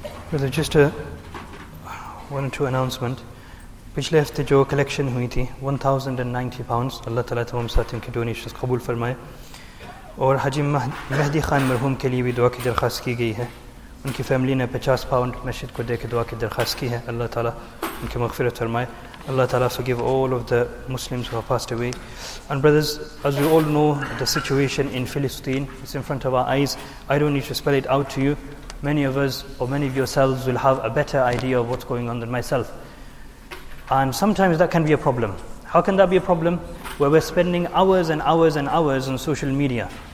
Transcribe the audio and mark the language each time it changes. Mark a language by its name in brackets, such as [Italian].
[English] So there's just a one or two announcement. [Urdu] پچھ لے ہفتے جو کلیکشن ہوئی تھی 1,090 pounds, اللہ تعالیٰ تمام ساتھیوں کی ڈونیشنز قبول فرمائے, اور حاجی مہدی خان مرحوم کے لیے بھی دعا کی درخواست کی گئی ہے. ان کی فیملی نے 50 pounds مسجد کو دے کے دعا کی درخواست کی ہے, اللہ تعالیٰ ان کی مغفرت فرمائے. [English] اللہ تعالیٰ forgive all of the Muslims who have passed away. And brothers, as we all know, the situation in Philistine is in front of our eyes. I don't need to spell it out to you. Many of us or many of yourselves will have a better idea of what's going on than myself. And sometimes that can be a problem. How can that be a problem? Where we're spending hours and hours and hours on social media.